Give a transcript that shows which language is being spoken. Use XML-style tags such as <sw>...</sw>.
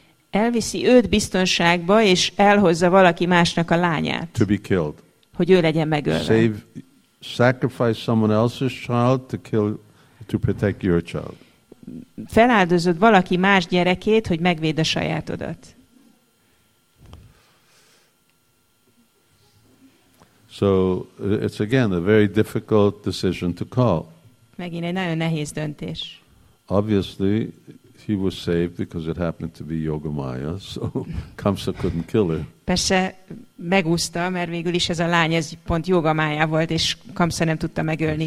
<hu>Elviszi őt biztonságba és elhozza valaki másnak a lányát.</hu> <en>To be killed.</en> <hu>Hogy ő legyen megölve.</hu> <en>Sacrifice someone else's child to protect your child.</en> <hu>Feláldozod valaki más gyerekét, hogy megvéd a sajátodat.</hu> <en>So it's again a very difficult decision to call.</en> <hu>Megint egy nagyon nehéz döntés.</hu> <en>Obviously he was saved because it happened to be Yogamaya, so Kamsa couldn't kill her.</en> <hu>Persze megúszta, mert végül is ez a lány ez pont Yogamaya volt, és Kamsa nem tudta megölni.</hu>